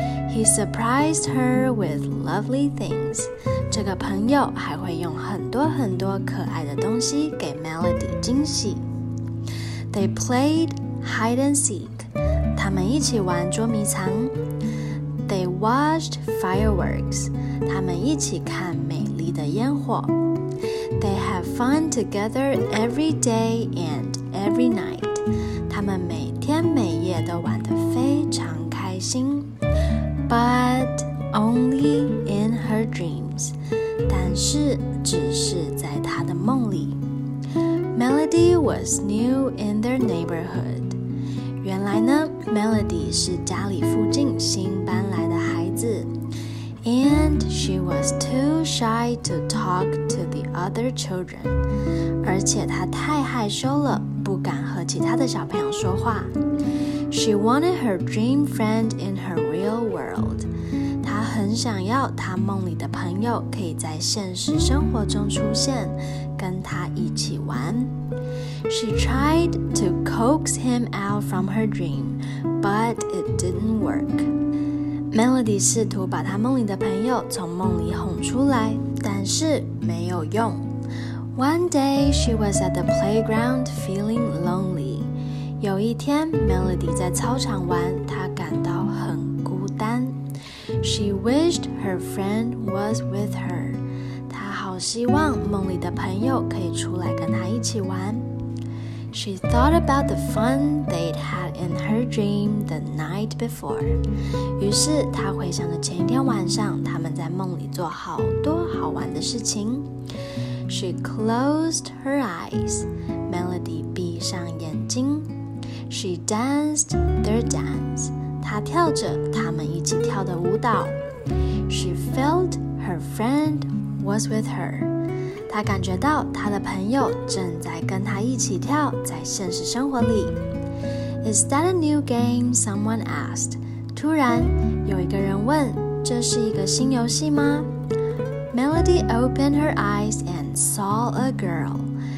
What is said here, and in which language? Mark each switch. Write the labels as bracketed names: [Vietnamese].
[English] He surprised her with lovely things. [Chinese] 这个朋友还会用很多很多可爱的东西给 Melody 惊喜。 [English] They played hide and seek. [Chinese] 他们一起玩捉迷藏。 [English] They watched fireworks. [Chinese] 他们一起看美丽的烟火。 [English] They had fun together every day and every night. [Chinese] 他们每天每夜都玩得非常开心。 [English] But only in her dreams. [Chinese] 但是只是在她的梦里。 [English] Melody was new in their neighborhood. [Chinese] 原来呢 ,Melody 是家里附近新搬来的孩子。 [English] And she was too shy to talk to the other children. [Chinese] 而且她太害羞了，不敢和其他的小朋友说话。 [English] She wanted her dream friend in her real world. [Chinese] 她很想要她梦里的朋友可以在现实生活中出现，跟她一起玩。 [English] She tried to coax him out from her dream, but it didn't work. [Chinese] Melody 试图把她梦里的朋友从梦里哄出来，但是没有用。 [English] One day, she was at the playground feeling lonely. [Chinese] 有一天 ,Melody 在操场玩，她感到很孤单。 [English] She wished her friend was with her. [Chinese] 她好希望梦里的朋友可以出来跟她一起玩。 [English] She thought about the fun they'd had in her dream the night before. [Chinese] 于是她回想了前一天晚上他们在梦里做好多好玩的事情。 [English] She closed her eyes. Melody [Chinese] 闭上眼睛。 [English] She danced their dance. [Chinese] 她跳着他们一起跳的舞蹈。 [English] She felt her friend was with her. [Chinese] 她感觉到她的朋友正在跟她一起跳，在现实生活里。 [English] Is that a new game? Someone asked. [Chinese] 突然，有一个人问，这是一个新游戏吗？ [English] Melody opened her eyes and saw a girl.